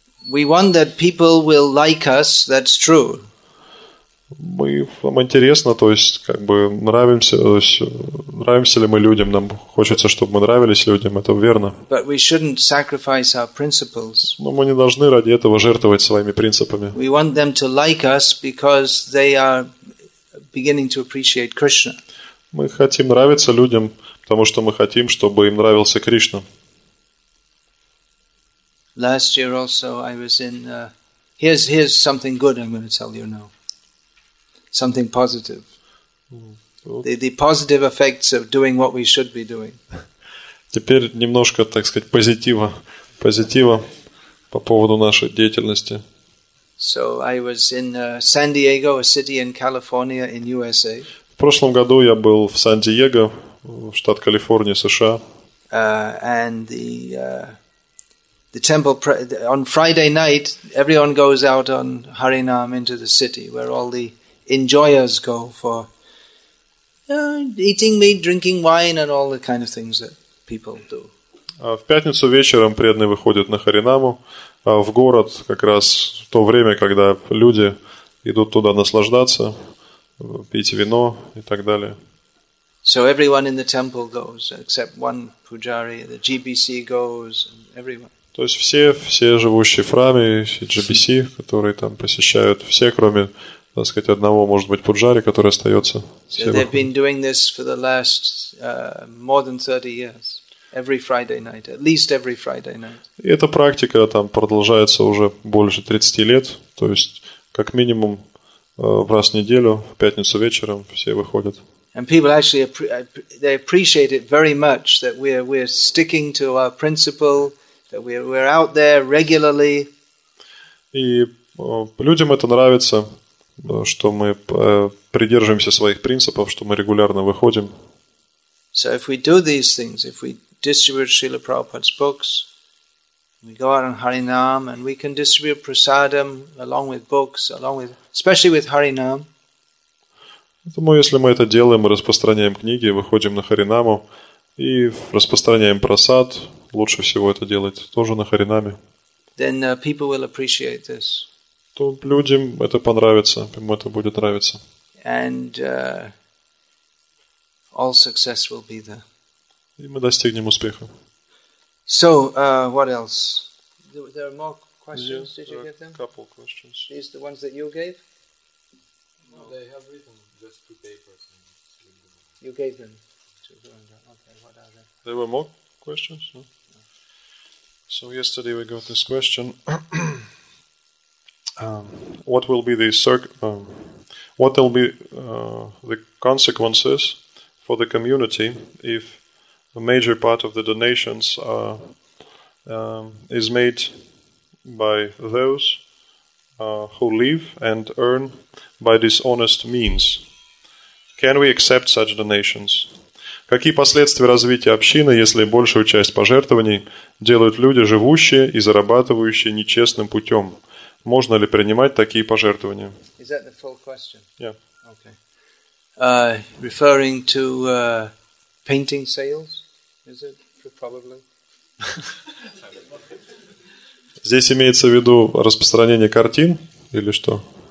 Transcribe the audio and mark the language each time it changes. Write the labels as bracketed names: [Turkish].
[English] We want that people will like us, that's true. [Russian] Мы нам интересно, то есть как бы нравимся, то есть нравимся ли мы людям, нам хочется, чтобы мы нравились людям, это верно. [English] But we shouldn't sacrifice our principles. [Russian] Но мы не должны ради этого жертвовать своими принципами. [English] We want them to like us because they are beginning to appreciate Krishna. [Russian] Мы хотим нравиться людям, потому что мы хотим, чтобы им нравился Кришна. [English] Last year also I was in here's something good I'm going to tell you now. Something positive. The positive effects of doing what we should be doing. [Russian] Теперь немножко, так сказать, позитива по поводу нашей деятельности. [English] So I was in San Diego, a city in California in USA. [Russian] В прошлом году я был в Сан-Диего, штат Калифорния, США. [English] And the temple on Friday night, everyone goes out on Harinam into the city where all the enjoyers go for eating meat, drinking wine and all the kind of things that people do. [Russian] В пятницу вечером преданные выходят на Харинаму, в город, как раз в то время, когда люди идут туда наслаждаться, пить вино и так далее. [English] So everyone in the temple goes, except one pujari, the GBC goes, and everyone. [Russian] То есть все живущие в храме, все GBC, которые там посещают, все, кроме, так сказать, одного, может быть, пуджари, который остается. [English] So they've been doing this for the last more than 30 years. Every Friday night, at least every Friday night. [Russian] И эта практика там продолжается уже больше 30 лет, то есть как минимум раз в неделю, в пятницу вечером все выходят. [English] And people actually they appreciate it very much that we're sticking to our principle, that we're out there regularly. [Russian] И людям это нравится, что мы придерживаемся своих принципов, что мы регулярно выходим. [English] So if we do these things, if we distribute Srila Prabhupada's books, we go out on Harinam, and we can distribute prasadam along with books, along with especially with Harinam. [Russian] Поэтому, если мы это делаем, мы распространяем книги, выходим на Харинаму и распространяем просад, лучше всего это делать тоже на Харинаме. [English] Then people will appreciate this. [Russian] То людям это понравится, им это будет нравиться. [English] And all success will be there. [Russian] И мы достигнем успеха. [English] So, what else? There are more questions. did you get them? A couple questions. These the ones that you gave? No, they have written just two papers. And you gave them. Okay, what are they? There were more questions? No? No. So yesterday we got this question. what will be the what will be the consequences for the community if a major part of the donations are is made by those who live and earn by dishonest means. Can we accept such donations? [Russian] Какие последствия развития общины, если большую часть пожертвований делают люди, живущие и зарабатывающие нечестным путем? Можно ли принимать такие пожертвования? [English] Is that the full question? Yeah. Okay. Referring to painting sales? Is it probably? [Russian] Здесь имеется в виду распространение картин или что?